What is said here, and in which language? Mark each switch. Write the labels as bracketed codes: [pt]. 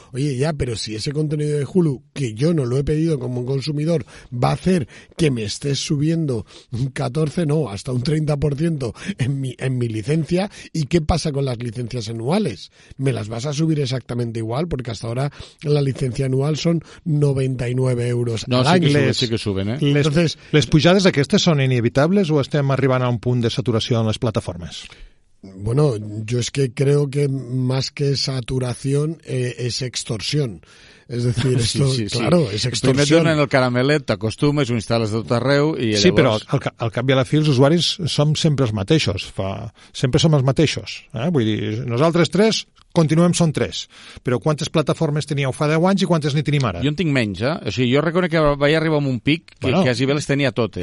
[es] Oye, ya, pero si ese contenido de Hulu, que yo no lo he pedido como un consumidor, va a hacer que me estés subiendo un 14, no, hasta un 30% en mi licencia, ¿y qué pasa con las licencias anuales? ¿Me las vas a subir exactamente igual? Porque hasta ahora la licencia anual son 99 euros. No, sí que suben, ¿eh? [ca] Entonces, ¿les pujades aquestes són inevitables o estem arribant a un punt de saturació en les plataformes? [es] Bueno, yo es que creo que más que saturación es extorsión. Es decir, esto, sí, claro, sí. Es extorsión. [ca] Primer donen el caramelet, t'acostumes, ho instal·les tot arreu i llavors... Sí, però al cap i a la fi els usuaris som sempre els mateixos. Sempre som els mateixos. Vull dir, nosaltres tres, continuem, som tres. Però quantes plataformes teníeu fa 10 anys i quantes n'hi tenim ara? Jo en tinc menys, eh? O sigui, jo reconec que vaig arribar a un pic que bueno, quasi bé les tenia totes.